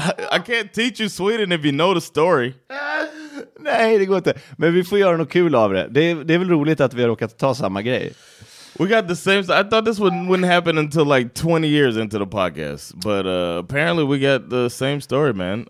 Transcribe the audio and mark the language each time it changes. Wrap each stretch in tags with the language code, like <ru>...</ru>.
<en>I can't teach you Sweden if you know the story.</en> <sv>Nej, det går inte. Men vi får göra något kul av det. Det är väl roligt att vi har råkat ta samma grej.</sv> <en>We got the same. I thought this wouldn't happen until like 20 years into the podcast. But apparently we got the same story, man.</en>